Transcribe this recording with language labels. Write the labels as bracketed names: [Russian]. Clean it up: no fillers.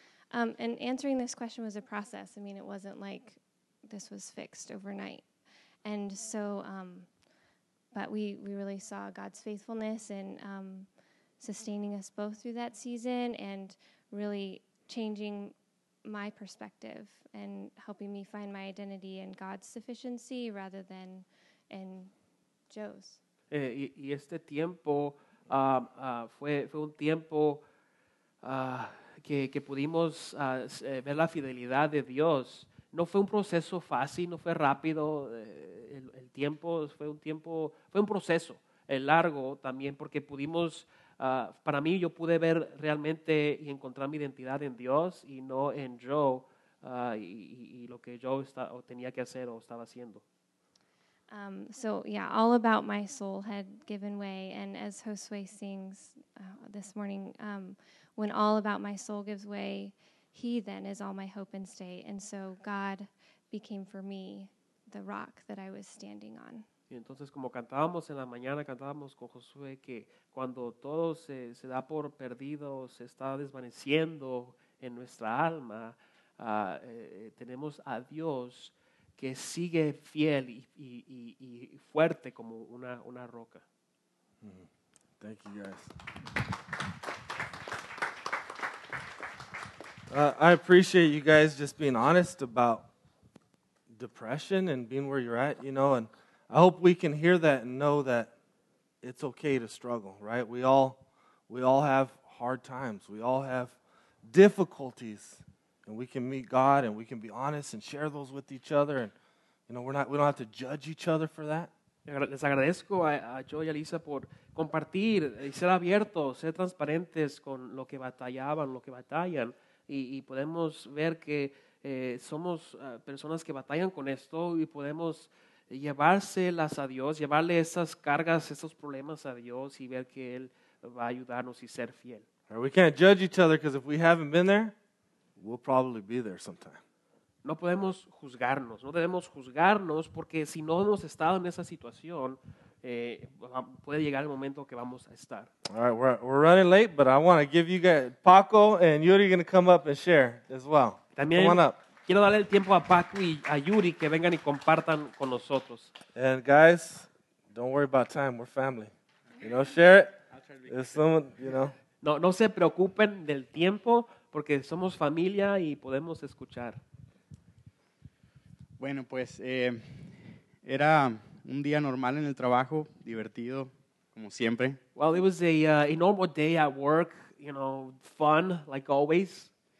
[English] And answering this question was a process. I mean, it wasn't like this was fixed overnight. And so, but we really saw God's faithfulness and sustaining us both through that season and really changing my perspective and helping me find my identity in God's sufficiency rather than in Joe's. [Spanish] Y este tiempo fue un tiempo que pudimos ver la fidelidad de Dios. No fue un proceso fácil, no fue rápido. El tiempo fue un tiempo, fue un proceso largo también porque pudimos... para mí, yo pude ver realmente y encontrar mi identidad en Dios y no en Joe y lo que Joe tenía que hacer o estaba haciendo. [English] So, yeah, all about my soul had given way. And as Josue sings this morning, when all about my soul gives way, he then is all my hope and stay. And so God became for me the rock that I was standing on. [Spanish] Y entonces, como cantábamos en la mañana, cantábamos con Josué que cuando todo se da por perdido, se está desvaneciendo en nuestra alma, tenemos a Dios que sigue fiel y fuerte como una roca. [English] Mm-hmm. Thank you, guys. I appreciate you guys just being honest about depression and being where you're at, you know, and I hope we can hear that and know that it's okay to struggle, right? We all have hard times. We all have difficulties, and we can meet God and we can be honest and share those with each other. And you know, we don't have to judge each other for that. [Spanish] Les agradezco a Joe y a Lisa por compartir y ser abiertos, ser transparentes con lo que batallaban, lo que batallan, y podemos ver que somos personas que batallan con esto y podemos llevárselas a Dios, llevarle esas cargas, esos problemas a Dios y ver que Él va a ayudarnos y ser fiel. [English] We can't judge each other because if we haven't been there, we'll probably be there sometime. [Spanish] No podemos juzgarnos, no debemos juzgarnos porque si no hemos estado en esa situación, puede llegar el momento que vamos a estar. [English] All right, we're running late, but I want to give you guys, Paco and Yuri are going to come up and share as well. [Spanish] También, [English] come on up. [Spanish] Quiero darle el tiempo a Paco y a Yuri que vengan y compartan con nosotros. [English] And guys, don't worry about time. We're family. You know, share it. If someone, you know. [Spanish] No se preocupen del tiempo porque somos familia y podemos escuchar. Bueno, pues era un día normal en el trabajo, divertido, como siempre. [English] Well, it was a normal day at work, you know, fun, like always.